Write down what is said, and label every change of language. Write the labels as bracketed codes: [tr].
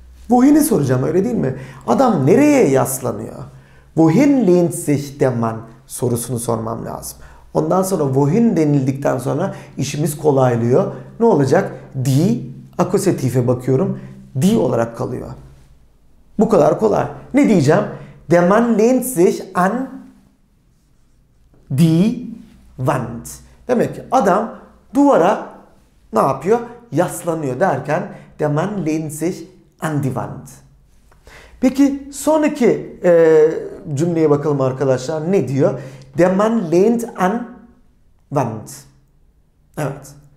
[tr] Wohin'i soracağım, öyle değil mi? Adam nereye yaslanıyor? [de] Wohin lehnt sich der Mann [tr] sorusunu sormam lazım. Ondan sonra wohin denildikten sonra işimiz kolaylıyor. Ne olacak? Die, akusatife bakıyorum. Die olarak kalıyor. Bu kadar kolay. Ne diyeceğim? [de] Der Mann lehnt sich an die Wand. [tr] Demek ki adam duvara ne yapıyor? Yaslanıyor derken [de] der Mann lehnt sich an die Wand. [tr] Peki sonraki cümleye bakalım arkadaşlar. Ne diyor? [de] Der Mann lehnt an Wand. Evet.